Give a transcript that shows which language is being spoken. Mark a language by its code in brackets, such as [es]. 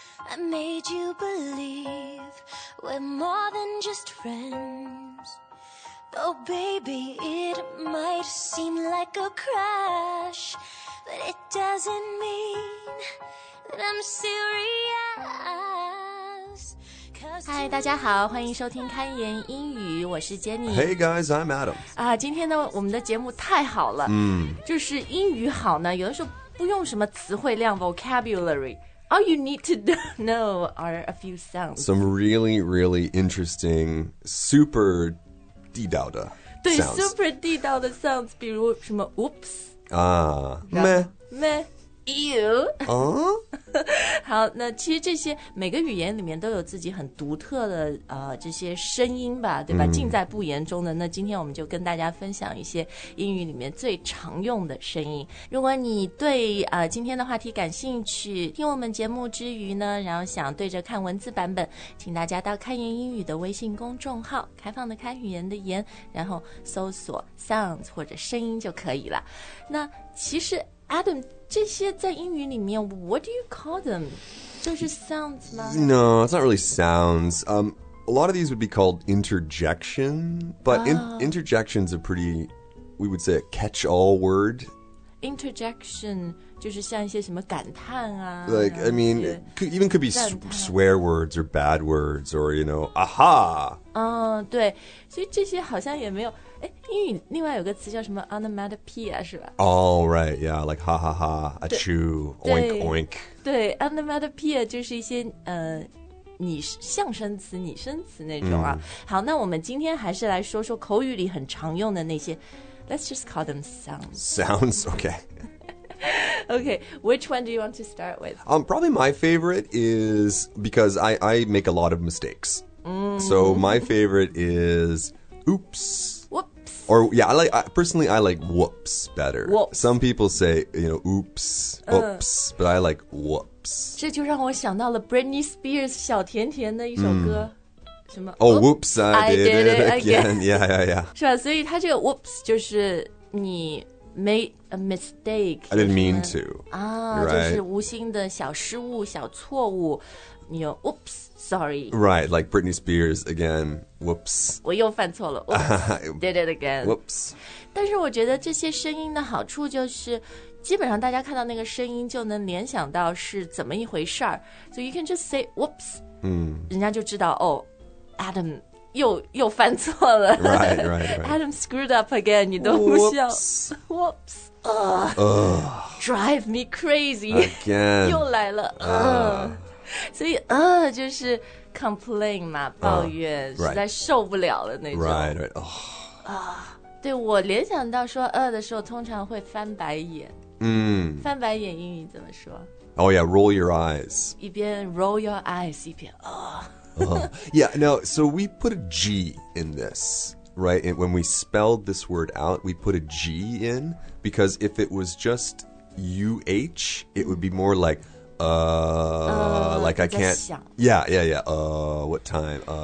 [en] I made you believe we're more than just friends. Oh, baby, it might seem like a crush, but it doesn't mean that I'm serious. [zh] 嗨，大家好，欢迎收听开言英语，我是 Jenny。 [en] Hey guys, I'm Adam. [zh] 啊，今天呢，我们的节目太好了。嗯，就是英语好呢，有的时候不用什么词汇量 vocabulary。 [en] All you need to know are a few sounds. Some really, really interesting, super [zh] 地道的 [en] sounds. [zh] 对 ,super 地道的 sounds, 比如什么 oops. 啊 meh. Meh. Ew. 啊、 uh? 好那其实这些每个语言里面都有自己很独特的、这些声音吧对吧、mm. 尽在不言中的那今天我们就跟大家分享一些英语里面最常用的声音。如果你对、今天的话题感兴趣听我们节目之余呢然后想对着看文字版本请大家到开言英语的微信公众号开放的开语言的言然后搜索 sounds 或者声音就可以了。那其实 Adam,这些在英语里面 [en] what do you call them? [zh] 就是 sounds 吗 [en] No, it's not really sounds.、A lot of these would be called interjection, but、interjection is a pretty, we would say a catch-all word. [zh] Interjection, 就是像一些什么感叹啊 [en] Like, I mean, could, even could be swear words or bad words or, you know, aha! [zh] 对所以这些好像也没有英语另外有个词叫什么 onomatopoeia 是吧 [en] Oh right yeah like ha ha ha achoo oink oink [zh] 对 onomatopoeia 就是一些、拟象声词拟声词那种啊、mm. 好那我们今天还是来说说口语里很常用的那些 [en] Let's just call them sounds Sounds okay Okay, which one do you want to start with? Probably my favorite is because I make a lot of mistakes、 mm. So my favorite is oops Whoops. Or, yeah, I like whoops better. Whoops. Some people say, you know, oops, oops, but I like whoops. [zh] 这就让我想到了 Britney Spears 小甜甜的一首歌。 Mm. 什么 [en] Oh, whoops, I did it again. Yeah. [zh] 是吧所以他这个 whoops 就是你 [en] made a mistake. I didn't mean to. 啊、 right? [zh] 就是无心的小失误小错误。 [en] You know, oops, sorry. Right, like Britney Spears again, whoops. [zh] 我又犯错了 [en] oops, did it again. Whoops. [zh] 但是我觉得这些声音的好处就是基本上大家看到那个声音就能联想到是怎么一回事儿。 [en] So you can just say whoops.、 Mm. [zh] 人家就知道哦、oh, Adam 又犯错了。 [en] Right. Adam screwed up again, [zh] 你都不笑。 [en] Whoops. Drive me crazy. Again. [zh] 又来了。所以就是 complain 嘛抱怨、 [en] right. [zh] 实在受不了了那种 [en] right.、 [zh] 对我联想到说的时候通常会翻白眼、 mm. 翻白眼英语怎么说 [en] oh yeah roll your eyes [zh] 一边 [en] roll your eyes [zh] 一边 [en] yeah now so we put a G in this right and when we spelled this word out we put a G in because if it was just UH it would be more likelike I can't what time